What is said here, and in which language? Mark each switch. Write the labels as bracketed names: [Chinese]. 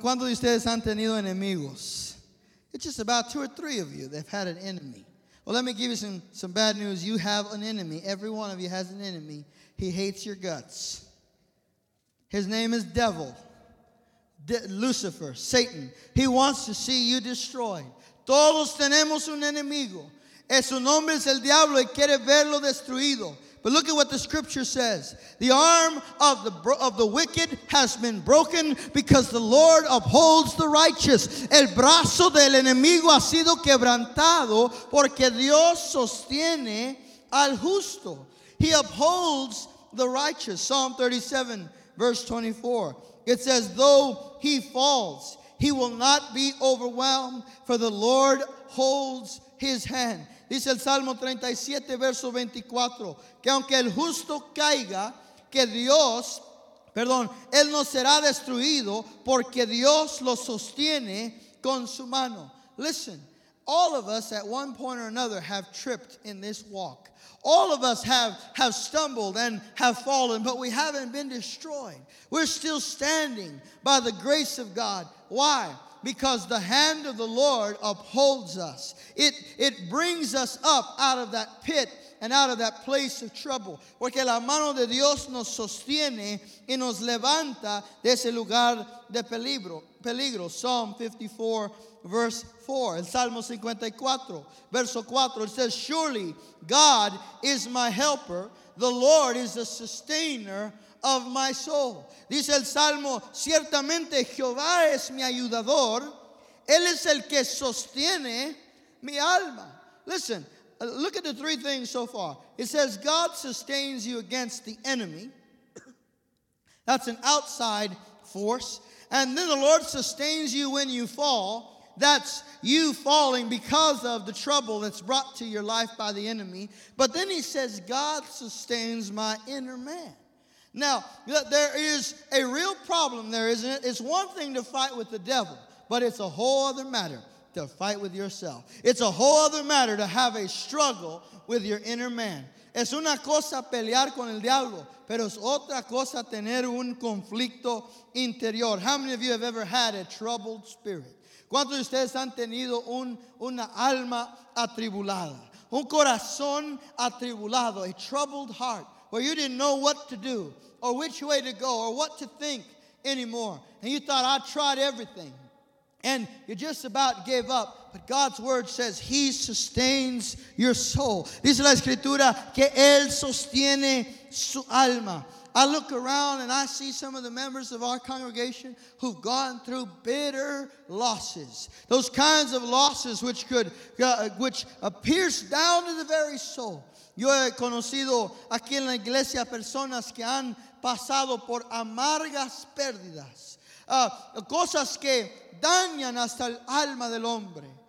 [Spanish] ¿Cuántos de ustedes han tenido enemigos? [English] It's just about two or three of you that have had an enemy. Well, let me give you some bad news. You have an enemy. Every one of you has an enemy. He hates your guts. His name is Devil. Lucifer, Satan, he wants to see you destroyed. [Spanish] Todos tenemos un enemigo. Su nombre es el diablo y quiere verlo destruido. [English] But look at what the scripture says. The arm of the wicked has been broken because the Lord upholds the righteous. [Spanish] El brazo del enemigo ha sido quebrantado porque Dios sostiene al justo. [English] He upholds the righteous. Psalm 37, verse 24. It says, though he falls, he will not be overwhelmed, for the Lord holds his hand. [Spanish] Dice el Salmo 37, verso 24, que aunque el justo caiga, que Dios, perdón, él no será destruido, porque Dios lo sostiene con su mano. [English] Listen, all of us at one point or another have tripped in this walk. All of us have stumbled and have fallen, but we haven't been destroyed. We're still standing by the grace of God. Why? Because the hand of the Lord upholds us. It brings us up out of that pit and out of that place of trouble. [Spanish] Porque la mano de Dios nos sostiene y nos levanta de ese lugar de peligro. [English] Psalm 54, verse 4. [Spanish] El Salmo 54, verso 4. [English] It says, surely God is my helper. The Lord is the sustainer of my soul. [Spanish] Dice el Salmo, ciertamente Jehová es mi ayudador. Él es el que sostiene mi alma. [English] Listen, look at the three things so far. It says God sustains you against the enemy. That's an outside force. And then the Lord sustains you when you fall. That's you falling because of the trouble that's brought to your life by the enemy. But then he says, God sustains my inner man. Now, there is a real problem there, isn't it? It's one thing to fight with the devil, but it's a whole other matter to fight with yourself. It's a whole other matter to have a struggle with your inner man. [Spanish] Es una cosa pelear con el diablo, pero es otra cosa tener un conflicto interior. [English] How many of you have ever had a troubled spirit? [Spanish] ¿Cuántos de ustedes han tenido una alma atribulada? Un corazón atribulado, [English] a troubled heart, where you didn't know what to do, or which way to go, or what to think anymore. And you thought, I tried everything. And you just about gave up. But God's word says he sustains your soul. [Spanish] Dice la escritura que él sostiene su alma. [English] I look around and I see some of the members of our congregation who've gone through bitter losses. Those kinds of losses which could, which pierce down to the very soul. [Spanish] Yo he conocido aquí en la iglesia personas que han pasado por amargas pérdidas. Cosas que dañan hasta el alma del hombre.